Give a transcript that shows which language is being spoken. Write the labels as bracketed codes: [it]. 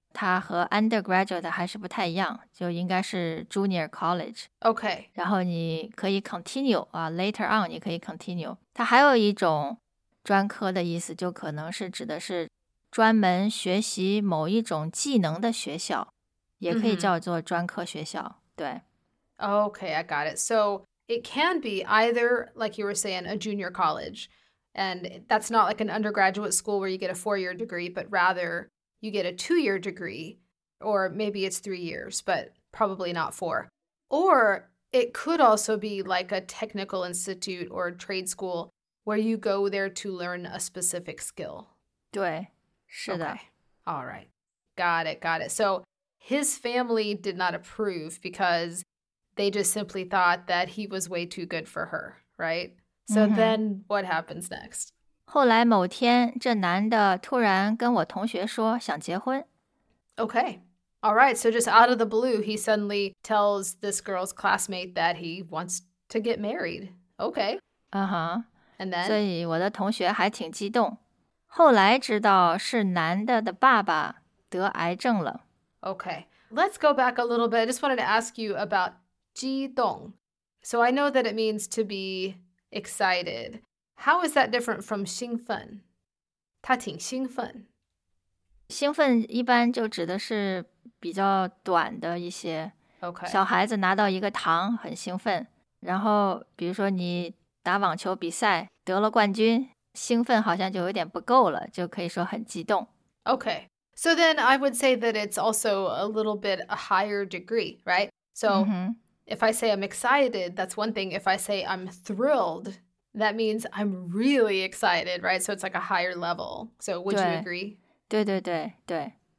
[zh] 它和 undergraduate 还是不太一样，就应该是 junior college. [en] Okay. [zh] 然后你可以 [en] continue, later on [zh] 你可以 continue. 它还有一种专科的意思，就可能是指的是专门学习某一种技能的学校，也可以叫做专科学校。对。 [en] Okay, I got it. So it can be either, like you were saying, a junior college, and that's not like an undergraduate school where you get a 4-year degree, but rather... You get a 2-year degree, or maybe it's 3 years, but probably not 4. Or it could also be like a technical institute or trade school where you go there to learn a specific skill. [zh] 对，是的。 [en] Okay. All right. Got it. So his family did not approve because they just simply thought that he was way too good for her, right? So then what happens next? [zh] 后来某天，这男的突然跟我同学说想结婚。 [en] Okay. All right. So just out of the blue, he suddenly tells this girl's classmate that he wants to get married. Okay. And then? [zh] 所以我的同学还挺激动。后来知道是男的的爸爸得癌症了。 [en] Okay. Let's go back a little bit. I just wanted to ask you about 激动。 So I know that it means to be excited. How is that different from 兴奋? [zh] 他挺兴奋。兴奋一般就指的是比较短的一些。 [en] Okay. [zh] 小孩子拿到一个糖很兴奋。然后比如说你打网球比赛得了冠军,兴奋好像就有点不够了,就可以说很激动。 [en] Okay. So then I would say that it's also a little bit a higher degree, right? So if I say I'm excited, that's one thing. If I say I'm thrilled... That means I'm really excited, right? So it's like a higher level. So would you agree? [zh] 对对对对。